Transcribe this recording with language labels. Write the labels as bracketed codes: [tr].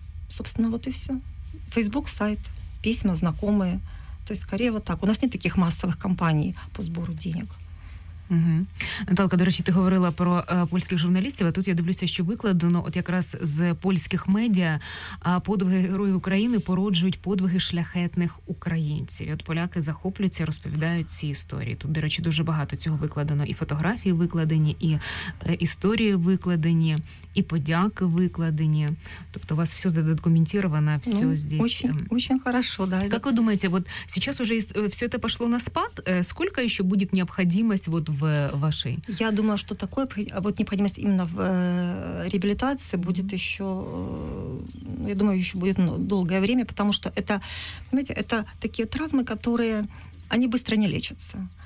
[ru] Собственно, вот и все. Фейсбук, сайт, письма, знакомые. То есть, скорее, вот так. У нас нет таких [uk] масових кампаній [ru] по збору денег. Угу. [uk] Наталка, до речі, ти говорила про польських журналістів, а тут я дивлюся, що викладено от якраз з польських медіа, а подвиги героїв України породжують подвиги шляхетних українців. І от поляки захоплюються, розповідають ці історії. Тут, до речі, дуже багато цього викладено. І фотографії викладені, і історії викладені, і подяки викладені. Тобто [ru] у вас все задокументировано, все здесь. Очень хорошо, да. Как вы думаете, вот сейчас уже все это пошло на спад, сколько еще будет необходимость вот в вашей? Я думаю, что такое вот необходимость именно в реабилитации будет mm-hmm. еще, я думаю, еще будет долгое время, потому что это, понимаете, это такие травмы, которые, они быстро не лечатся.